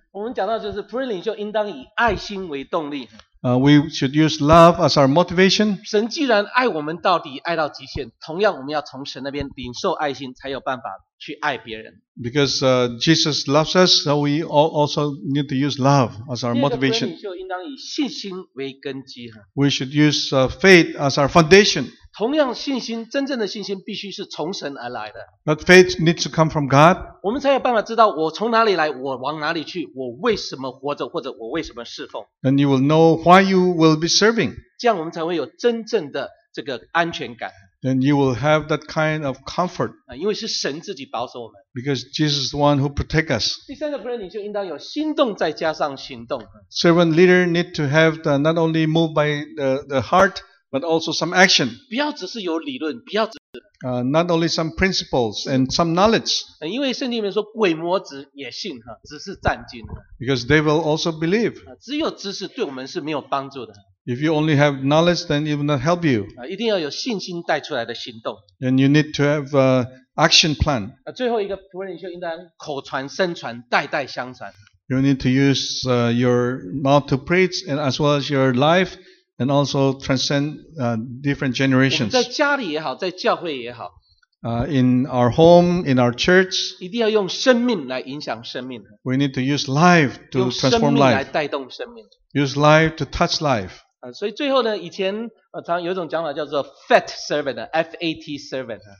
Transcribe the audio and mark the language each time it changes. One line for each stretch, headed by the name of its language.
Chinese: 我们讲到就是，福音领袖应当以爱心为动力。
English: We should use love as our motivation.
Chinese: 神既然爱我们到底，爱到极限，同样我们要从神那边领受爱心，才有办法去爱别人。
English: Because Jesus loves us, so we also need to use love as our motivation.
Chinese: 就应当以信心为根基。
English: We should use faith as our foundation.
Chinese: 同样信心，真正的信心必须是从神而来的。
English: But faith needs to come from God.
Chinese: 我们才有办法知道我从哪里来，我往哪里去，我为什么活着，或者我为什么侍奉。
English: And you will know why you will be serving.
Chinese: 这样我们才会有真正的这个安全感。
English: Then you will have that kind of comfort.
Chinese: 因为是神自己保守我们。
English: Because Jesus is the one who protects us.
Chinese: 第三个仆人领袖应当有心动，再加上行动。
English: Servant leader need to have the, not only moved by the heart, but also some action.
Chinese: 不要只是有理论，不要只是。
English: Not only some principles and some knowledge.
Chinese: 因为圣经里面说，鬼魔子也信，只是战惊。
English: Because they will also believe.
Chinese: 只有知识对我们是没有帮助的。
English: If you only have knowledge, then it will not help you.
Chinese: 一定要有信心带出来的行动。
English: And you need to have an action plan.
Chinese: 最后一个仆人领袖应当口传、身传、代代相传。
English: You need to use your mouth to preach, and as well as your life, and also transcend different generations.
Chinese: 在家里也好，在教会也好。
English: In our home, in our church,
Chinese: 一定要用生命来影响生命。
English: We need to use life to transform life.
Chinese: 用生命来带动生命。
English: Use life to touch life.
Chinese: 所以最后呢，以前常有一种讲法叫做
English: fat servant, F-A-T servant.